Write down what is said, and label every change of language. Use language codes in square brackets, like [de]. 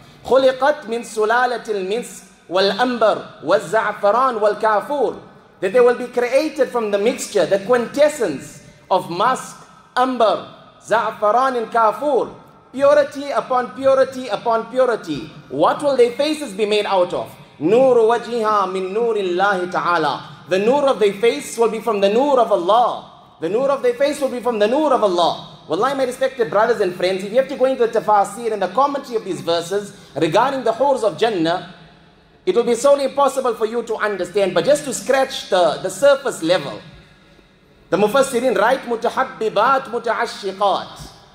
[ar] خُلِقَتْ مِن سُلَالَةِ الْمِنْسِ وَالْأَمْبَرِ وَالزَّعْفَرَانِ وَالْكَافُورِ. [en] That they will be created from the mixture, the quintessence of musk, amber, za'faran and kafur. Purity upon purity upon purity. What will their faces be made out of? [ar] نور وجهها من نور الله تعالى. [en] The nur of their face will be from the nur of Allah. The nur of their face will be from the nur of Allah. Wallahi, my respected brothers and friends, if you have to go into the tafasir and the commentary of these verses regarding the hurs of Jannah, it will be solely impossible for you to understand. But just to scratch the surface level, the mufassirin write mutahabbibat mutaashiqat.